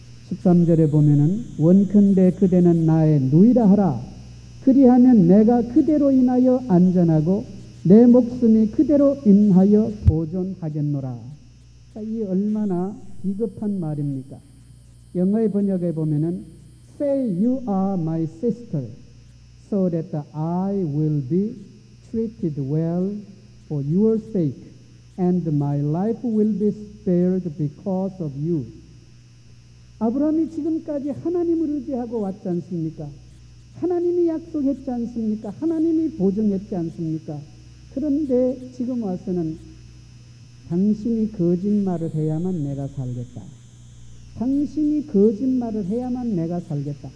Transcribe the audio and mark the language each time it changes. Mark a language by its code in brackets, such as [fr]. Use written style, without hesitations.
[ko] 13절에 보면은 원컨대 그대는 나의 누이라 하라. 그리하면 내가 그대로 인하여 안전하고 내 목숨이 그대로 인하여 보존하겠노라. 이 얼마나 비겁한 말입니까? 영어의 번역에 보면은 [en] Say you are my sister so that I will be treated well for your sake and my life will be spared because of you. [ko] 아브라함이 지금까지 하나님을 의지하고 왔지 않습니까? 하나님이 약속했지 않습니까? 하나님이 보증했지 않습니까? 그런데 지금 와서는 당신이 거짓말을 해야만 내가 살겠다. 당신이 거짓말을 해야만 내가 살겠다.